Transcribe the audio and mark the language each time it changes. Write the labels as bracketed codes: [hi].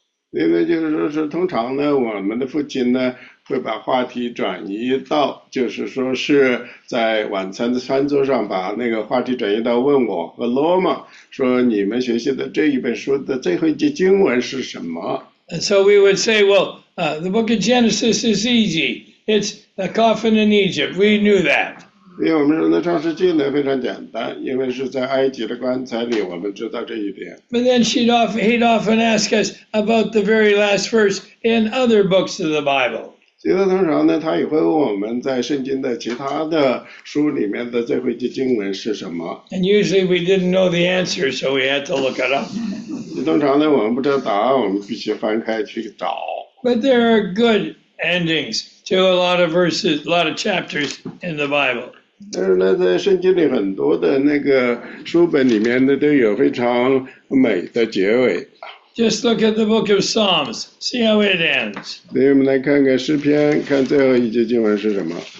[zh] 因为就是说是通常呢，我们的父亲呢会把话题转移到，就是说是在晚餐的餐桌上把那个话题转移到问我和罗马，说你们学习的这一本书的最后一节经文是什么？ [en] And so we would say, well, the book of Genesis is easy. It's a coffin in Egypt. We knew that. [zh] 因为我们说的创世纪呢非常简单，因为是在埃及的棺材里，我们知道这一点。 [en] But then he'd often ask us about the very last verse in other books of the Bible. [zh] 所以通常呢，他也会问我们在圣经的其他的书里面的最后一句经文是什么。 [en] And usually we didn't know the answer, so we had to look it up. [zh] 通常呢，我们不知道答案，我们必须翻开去找。 [en] But there are good endings. To a lot of verses, a lot of chapters in the Bible. [zh] 但是呢，在圣经里很多的那个书本里面呢，都有非常美的结尾。 [en] Just look at the book of Psalms, see how it ends. [zh] 所以我们来看看诗篇，看最后一节经文是什么。